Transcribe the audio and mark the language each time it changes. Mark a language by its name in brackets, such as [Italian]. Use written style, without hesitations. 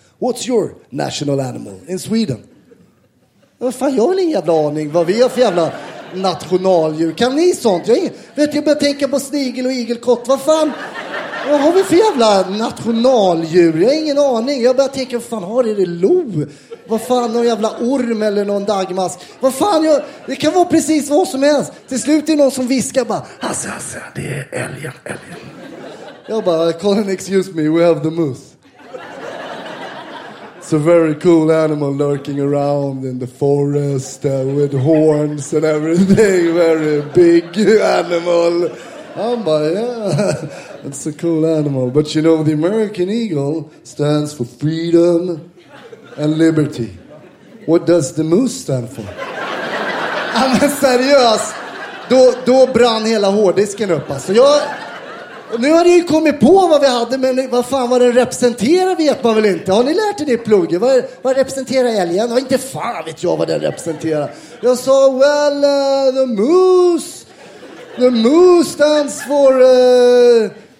[English] What's your national animal in Sweden? [Swedish] Fan, jag har ingen jävla aning vad vi har för jävla nationaldjur. Kan ni sånt? Jag börjar tänka på snigel och igelkott. Vad fan? Vad har vi för jävla nationaldjur? Jag har ingen aning. Jag börjar tänka, vad fan har det lo? Vad fan, någon jävla orm eller någon dagmask? Vad fan, det kan vara precis vad som helst. Till slut är det någon som viskar bara, Hasse, Hasse, det är älgen, älgen. Jag bara, [English] Colin, excuse me, we have the moose. It's a very cool animal lurking around in the forest with horns and everything. Very big animal. [Swedish] Han bara, [English] yeah. It's a cool animal. But you know, the American eagle stands for freedom and liberty. What does the moose stand for? [Swedish] Ja, men seriös. Då brann hela hårdisken upp. Alltså, nu har ni ju kommit på vad vi hade, men vad fan var den representerar vet man väl inte. Har ni lärt er det i plugget? Vad representerar älgen? Ja, inte fan vet jag vad den representerar. Jag sa, [English] well, the moose. The moose stands for...